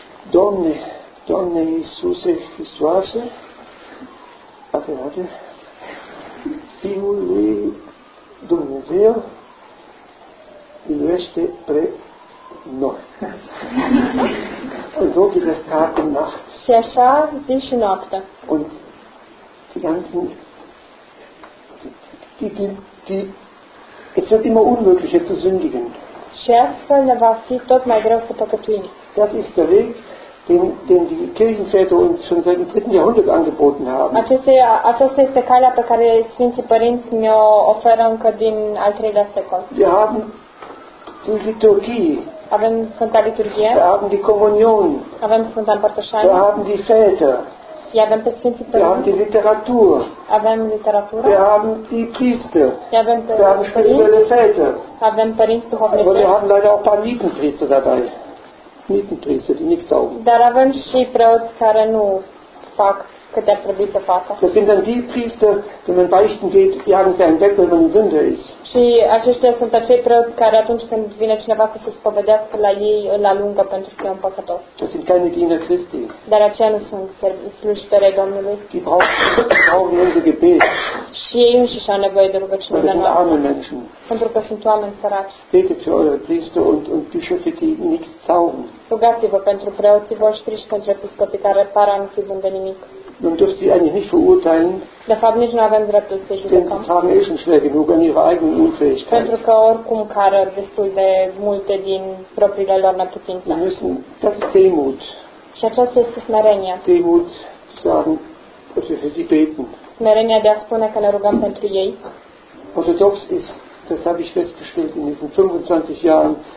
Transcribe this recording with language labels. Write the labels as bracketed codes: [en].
[ro] Domne, Domne Iisuse Hristoase, afirmate, Fiul lui Dumnezeu, iubește pre noi. [de] Und so geht es Tag und Nacht. [ro] Și așa zi și noapte. [de] Und die ganzen, es wird immer unmöglicher zu sündigen. [ro] Și astfel ne va fi tot mai greu să păcătuim. [de] Das ist der Weg, den die Kirchenväter uns schon seit dem 3. Jahrhundert angeboten haben. [ro] Aceasta este calea pe care Sfinții Părinți ne-o oferă încă din al 3-lea secol. [de] Wir haben die Liturgie. [ro] Avem Sfânta Liturghie. [de] Wir haben die Kommunion. [ro] Avem Sfânta Împărtășanie. [de] Wir haben die Väter. [ro] Avem pe Sfinții Părinți. [de] Wir haben die Literatur. [ro] Avem literatura. [de] Wir haben die Priester. [ro] Avem pe [de] Wir haben spirituelle Väter. [ro] Avem Părinți Duhovnici. [de] Aber wir haben leider auch ein paar Nietenpriester dabei. Nietenpriester, die nicht taugen. [ro] Dar avem și preoți care nu fac câte ar trebui să facă. [de] Das sind dann die Priester, wenn man beichten geht, jagen sie einen weg, wenn man ein Sünder ist. [ro] Și aceștia sunt acei preoți care atunci când vine cineva să se spovedească la ei, îl alungă pentru că e un păcătos. [de] Das sind keine Diener Christi. [ro] Dar aceia nu sunt slujitori ai Domnului. [de] Die brauchen unser Gebet. [ro] Și ei nu și-au nevoie de rugăciunea noastră. [de] Weil sie sind arme Menschen. [ro] Pentru că sunt oameni săraci. [de] Betet für eure Priester und Bischöfe, die nicht taugen. [ro] Rugați-vă pentru preoții voștri și pentru episcopii care par a nu fi bun de nimic. [de] Nun dürft ihr eigentlich nicht verurteilen, [ro] de fapt, nici nu avem dreptul să-i judecăm. [de] Denn sie tragen eh schon schwer genug an ihrer eigenen Unfähigkeit. [ro] Pentru că oricum cară destul de multe din propriile lor neputințe. [de] Wir müssen, das ist Demut. [ro] Și aceasta este smerenia. [de] Demut zu sagen, dass wir für sie beten. [ro] Smerenia de a spune că ne rugăm pentru ei. [de] Orthodox ist, das habe ich festgestellt in diesen 25 Jahren,